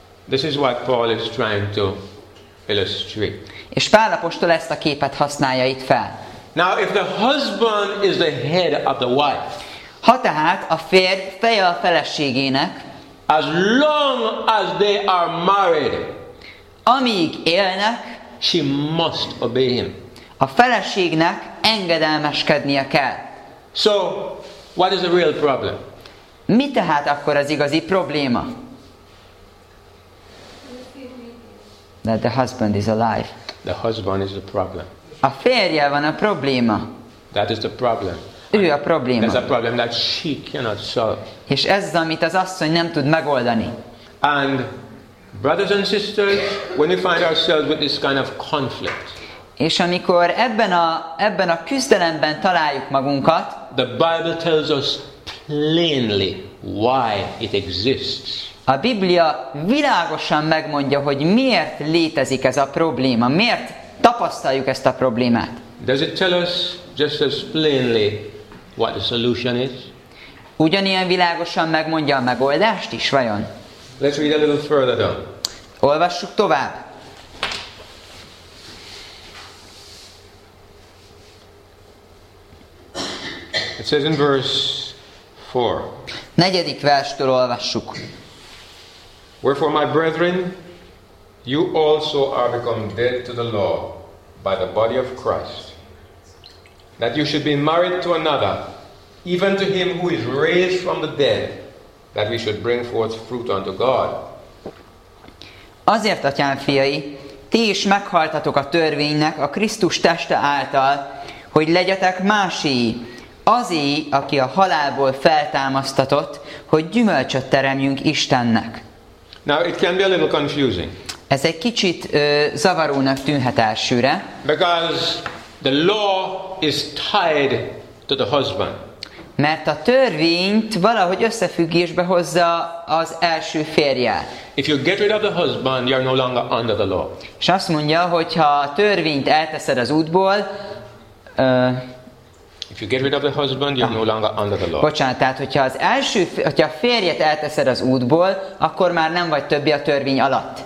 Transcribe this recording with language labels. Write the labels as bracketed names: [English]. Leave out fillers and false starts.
[English] This is what Paul is trying to illustrate. [Hungarian] És Pál apostol ezt a képet használja itt fel. [English] Now, if the husband is the head of the wife, [Hungarian] ha tehát a férj feje a feleségének, [English] as long as they are married, [Hungarian] amíg élnek, [English] she must obey him. [Hungarian] A feleségnek engedelmeskednie kell. [English] So, what is the real problem? [Hungarian] Mi tehát akkor az igazi probléma? [English] That the husband is alive. The husband is the problem. [Hungarian] A férje van a probléma. [English] That is the problem. [Hungarian] Ő a probléma. [English] There's a problem that she cannot solve. [Hungarian] És ez, amit az asszony nem tud megoldani. [English] And brothers and sisters, when we find ourselves with this kind of conflict, [Hungarian] és amikor ebben a küzdelemben találjuk magunkat, [English] the Bible tells us plainly why it exists. [Hungarian] A Biblia világosan megmondja, hogy miért létezik ez a probléma, miért tapasztaljuk ezt a problémát. [English] Does it tell us just as plainly what the solution is? [Hungarian] Ugyanilyen világosan megmondja a megoldást is, vajon? [English] Let's read a little further down. [Hungarian] Olvassuk tovább. [English] It says in verse 4. [Hungarian] Negyedik verstől olvassuk. [English] Wherefore, my brethren, you also are become dead to the law by the body of Christ, that you should be married to another, even to him who is raised from the dead, that we should bring forth fruit unto God. [Hungarian] Azért, atyám fiai, ti is meghaltatok a törvénynek a Krisztus teste által, hogy legyetek másii, azé, aki a halálból feltámasztatott, hogy gyümölcsöt teremjünk Istennek. [English] Now it can be a little confusing. [Hungarian] Ez egy kicsit zavarónak tűnhet elsőre. [English] Because the law is tied to the husband. [Hungarian] Mert a törvényt valahogy összefüggésbe hozza az első férjel. [English] If you get rid of the husband, you are no longer under the law. [Hungarian] És azt mondja, hogy ha a törvényt elteszed az útból, [English] if you get rid of the husband, you're no longer under the law. [Hungarian] Bocsánat, tehát hogyha az első, hogyha a férjet elteszed az útból, akkor már nem vagy többi a törvény alatt.